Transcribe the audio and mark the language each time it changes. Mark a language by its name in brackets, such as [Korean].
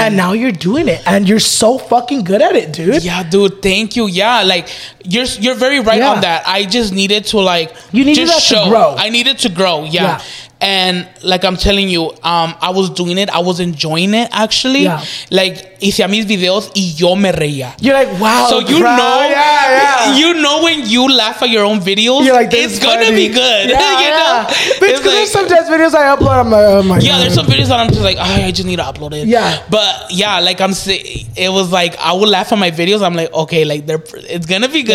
[English] and now you're doing it. And you're so fucking good at it, dude. Yeah, dude. Thank you. Yeah. Like, you're very right on that. I just needed to, like, you needed just that show. To grow. I needed to grow. Yeah. Yeah. And like I'm telling you, I was doing it. I was enjoying it, actually. Yeah. [Spanish] Like, hice a mis videos y yo me reía. [English] You're like, wow. So you know, you know when you laugh at your own videos, you're like, it's gonna be good. Yeah, you know? Because like, there's some videos I upload, I'm like, oh my God. Yeah, there's some videos that I'm just like, oh, I just need to upload it. Yeah. But yeah, like I'm saying, it was like, I would laugh at my videos. I'm like, okay, like it's gonna be good.